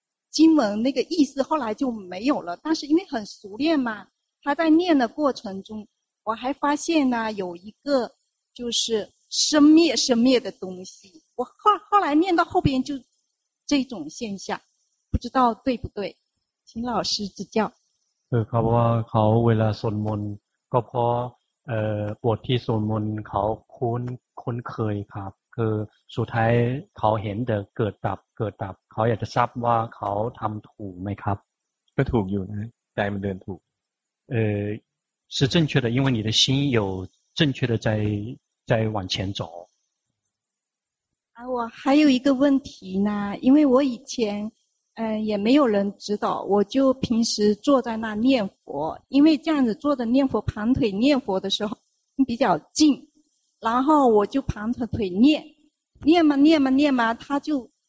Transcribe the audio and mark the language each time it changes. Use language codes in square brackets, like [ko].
[zh] 经文那个意思后来就没有了但是因为很熟练嘛他在念的过程中我还发现呢有一个就是生灭生灭的东西我后来念到后边就这种现象不知道对不对请老师指教 [th] เขาบอกว่าเขาเวลาสวดมนต์ก็เพราะบทที่สวดมนต์เขาคุ้นเคยครับคือสุดท้ายเขาเห็นเกิดดับเกิดดับเขาอยากจะทราบว่าเขาทำถูกไหมครับ ก็ถูกอยู่นะใจมันเดินถูก [zh] 是正确的因为你的心有正确的在往前走啊我还有一个问题呢因为我以前也没有人指导我就平时坐在那念佛因为这样子坐着念佛盘腿念佛的时候比较近然后我就盘着腿念念嘛念嘛念嘛他就